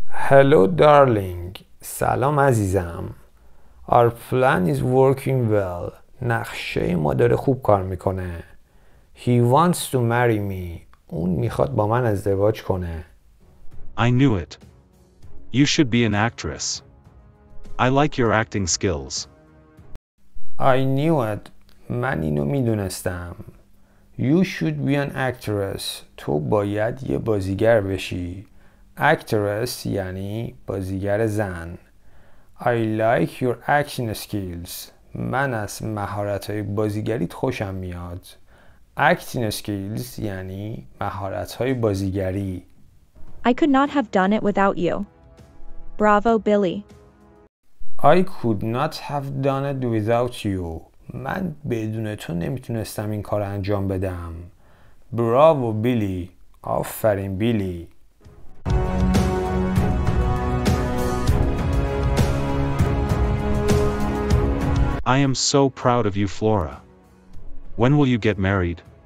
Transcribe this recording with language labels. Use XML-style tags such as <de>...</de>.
<en>Hello, darling.</en> <fa>سلام عزیزم.</fa> <en>Our plan is working well.</en> <fa>نقشه ما داره خوب کار میکنه.</fa> <en>He wants to marry me.</en> <fa>اون میخواد با من ازدواج کنه.</fa> <en>I knew it. You should be an actress. I like your acting skills. I knew it.</en> <fa>من اینو میدونستم.</fa> <en>You should be an actress.</en> <fa>تو باید یه بازیگر بشی.</fa> <en>Actress</en> <fa>یعنی بازیگر زن.</fa> <en>I like your acting skills.</en> <fa>من از مهارت‌های بازیگریت خوشم میاد.</fa> <en>Acting skills</en> <fa>یعنی مهارت‌های بازیگری.</fa> <en>I could not have done it without you. Bravo, Billy. I could not have done it without you.</en> <fa>من بدون تو نمیتونستم این کار انجام بدم.</fa> <en>Bravo, Billy. آفرین, Billy. I am so proud of you, Flora. When will you get married?</en>